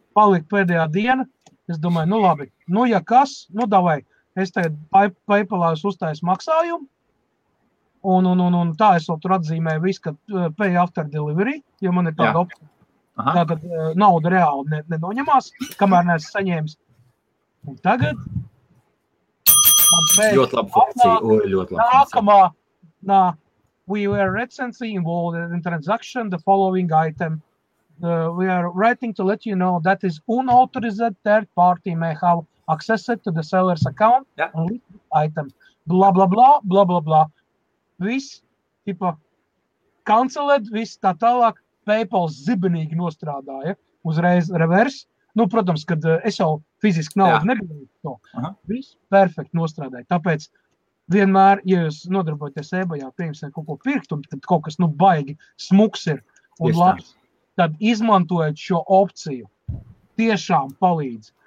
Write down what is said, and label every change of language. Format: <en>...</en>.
<lv>Palika pēdējā diena, es domāju, nu, labi, nu, ja kas, nu, davai, es tagad PayPalā uztais maksājumu. Un tā es vēl tur atzīmēju visu, ka</lv> <en>pay after delivery,</en> <lv>jo man ir tāda opcija. Tagad nauda reāli nenoņemās, kamēr neesmu saņēmis. Un tagad... Ļoti laba funkcija.</lv> <en>Nākamā, we were recently involved in transaction, the following item. We are writing to let you know that is unauthorized third party may have access to the seller's account. Yeah. Item. Blah, blah, blah, blah, blah, blah.</en> <lv>Viss, tipa, cancelēt, viss tā tālāk, PayPal zibenīgi nostrādāja, uzreiz reverse. Nu, protams, kad es jau fiziski naudu nebūtu to. Viss perfekti nostrādāja. Tāpēc vienmēr, ja jūs nodarbojaties ebajā, pieņemsim kaut ko pirkt, un tad kaut kas, nu, baigi smuks ir un just labs, tad izmantojot šo opciju, tiešām palīdz.</lv>